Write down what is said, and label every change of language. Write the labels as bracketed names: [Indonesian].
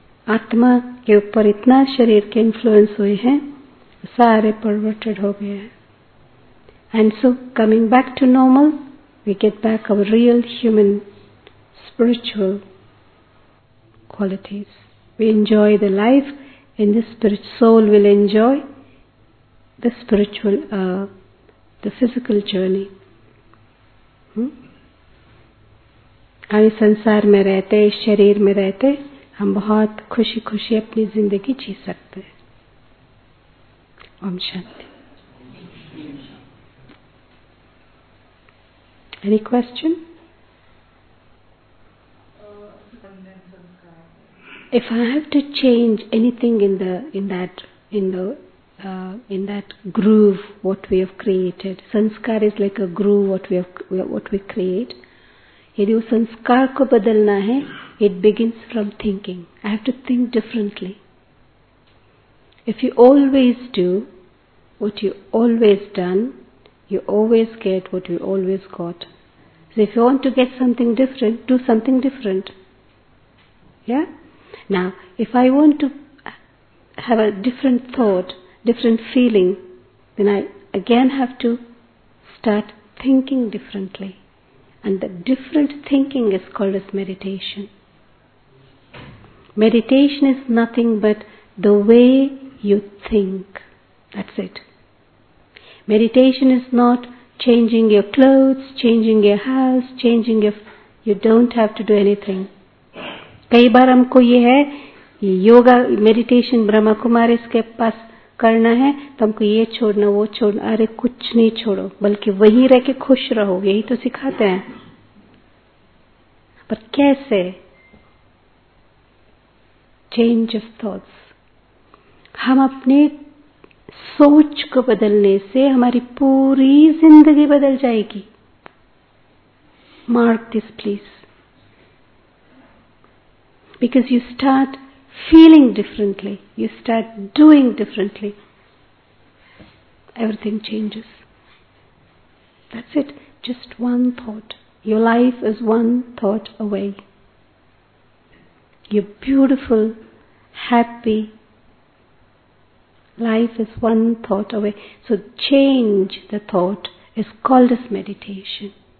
[Hindi] आत्मा के ऊपर इतना शरीर के इन्फ्लुएंस हुए हैं, सारे परवर्टेड हो गए हैं। [English] And so coming back to normal, we get back our real human spiritual qualities. We enjoy the life in the spirit. Soul will enjoy the spiritual, the physical journey. [Hindi] हम इस संसार में रहते, इस शरीर में रहते, हम बहुत खुशी खुशी अपनी जिंदगी जी सकते हैं। Om Shanti. [English] Any question? If I have to change anything in that groove, what we have created, sanskar is like a groove, what we create. [Hindi] यदि वो संस्कार को बदलना है, [English] it begins from thinking. I have to think differently. If you always do what you always done, you always get what you always got. So if you want to get something different, do something different. Yeah. Now, if I want to have a different thought, different feeling, then I again have to start thinking differently. And the different thinking is called as meditation. Meditation is nothing but the way you think. That's it. Meditation is not changing your clothes, changing your house, changing your... You don't have to do anything. [Hindi] कई बार हमको ये है yoga meditation Brahma Kumari इसके पास करना है तो हमको ये छोड़ना वो छोड़ना अरे कुछ नहीं छोड़ो बल्कि वहीं रह के खुश रहो यही तो सिखाते हैं पर कैसे [English] change of thoughts [Hindi] हम अपने सोच को बदलने से हमारी पूरी जिंदगी बदल जाएगी [English] Mark this please Because you start feeling differently, you start doing differently, everything changes. That's it, just one thought. Your life is one thought away. Your beautiful, happy life is one thought away. So change the thought is called as meditation.